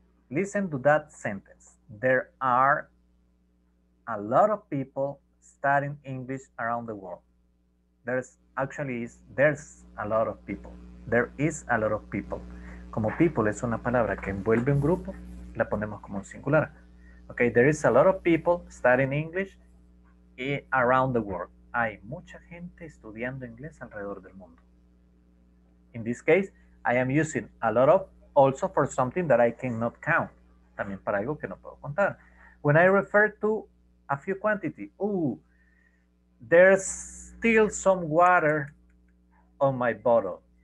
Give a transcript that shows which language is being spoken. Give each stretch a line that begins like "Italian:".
English: Listen to that sentence. There are a lot of people studying English around the world. There's a lot of people. There is a lot of people.
Spanish: Como people es una palabra que envuelve un grupo, la ponemos como un singular.
English: Okay, there is a lot of people studying English around the world.
Spanish: Hay mucha gente estudiando inglés alrededor del mundo.
English: In this case, I am using a lot of also for something that I cannot count.
Spanish: También para algo que no puedo contar.
English: When I refer to a few quantity, ooh, there's still some water on my bottle.